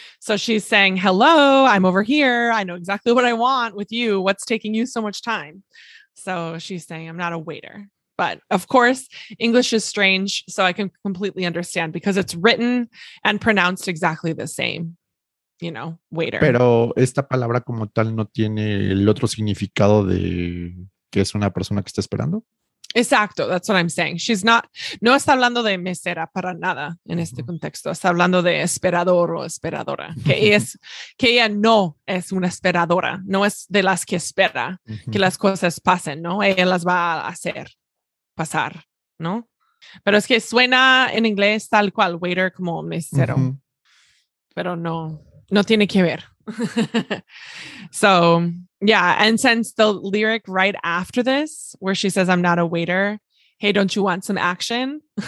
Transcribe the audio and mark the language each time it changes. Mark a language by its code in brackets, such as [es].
[en] So she's saying, hello, I'm over here. I know exactly what I want with you. What's taking you so much time? So she's saying, I'm not a waiter. But of course, English is strange, so I can completely understand because it's written and pronounced exactly the same, you know, waiter. [es] Pero esta palabra como tal no tiene el otro significado de que es una persona que está esperando. Exacto, [en] that's what I'm saying. She's not, [es] no está hablando de mesera para nada en este contexto. Está hablando de esperador o esperadora, que es que ella no es una esperadora, no es de las que espera que las cosas pasen, ¿no? Ella las va a hacer pasar, ¿no? Pero es que suena en inglés tal cual, waiter como mesero, pero no tiene que ver. [en] So, yeah, and since the lyric right after this, where she says, I'm not a waiter, hey, don't you want some action?